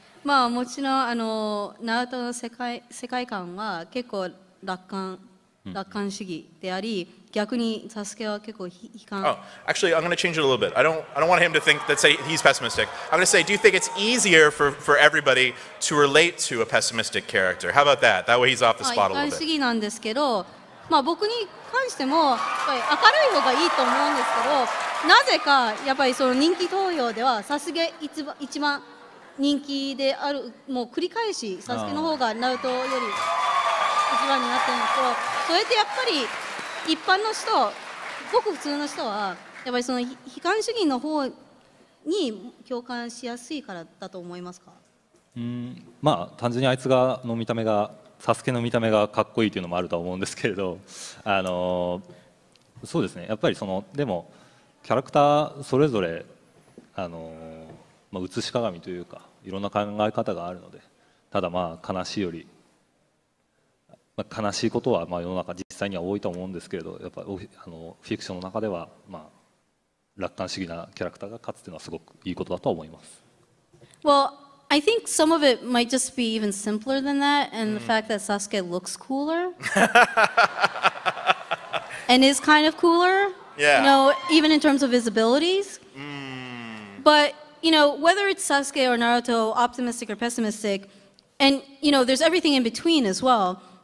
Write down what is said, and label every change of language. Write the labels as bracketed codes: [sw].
[ja] Well, もちろんあの Naruto の世界観は結構楽観主義であり、逆に Sasuke は結構悲観。 [en] Oh, actually, I'm going to change it a little bit. I don't want him to think that say he's pessimistic. I'm going to say, do you think it's easier for everybody to relate to a pessimistic character? How about that? That way he's off the spot a little bit. [ja] 悲観主義なんですけど、まあ僕に関してもやっぱり明るい方がいいと思うんですけど、なぜかやっぱりその人気投票では Sasuke 一番人気である、もう繰り返し Sasuke の方がNarutoより一番になってるんですけど、それってやっぱり一般の人、ごく普通の人はやっぱりその悲観主義の方に共感しやすいからだと思いますか？まあ単純にあいつがの見た目がサスケの見た目がかっこいいというのもあると思うんですけれど、そうですね、やっぱりそのでもキャラクターそれぞれ映し鏡というかいろんな考え方があるので、ただまあ悲しいより悲しいことはまあ世の中実際には多いと思うんですけれど、やっぱりフィクションの中ではまあ楽観主義なキャラクターが勝つというのはすごくいいことだと思います。 [en] Well, I think some of it might just be even simpler than that, and the fact that Sasuke looks cooler and is kind of cooler, yeah. You know, even in terms of his abilities. But you know, whether it's Sasuke or Naruto, optimistic or pessimistic, and you know, there's everything in between as well.